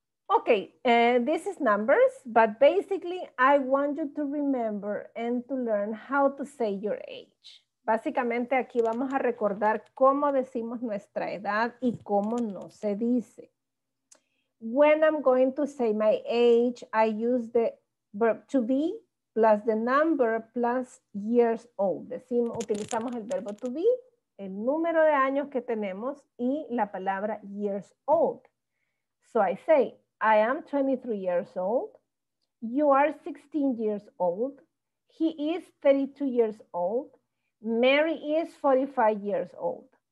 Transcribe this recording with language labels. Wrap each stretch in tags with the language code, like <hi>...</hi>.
<en>Okay, this is numbers, but basically I want you to remember and to learn how to say your age.</en> <es>Básicamente aquí vamos a recordar cómo decimos nuestra edad y cómo no se dice.</es> <en>When I'm going to say my age, I use the verb to be plus the number plus years old.</en> <es>Decimos, utilizamos el verbo to be, el número de años que tenemos y la palabra years old.</es> <en>So I say, I am 23 years old. You are 16 years old. He is 32 years old. Mary is 45 years old.</en>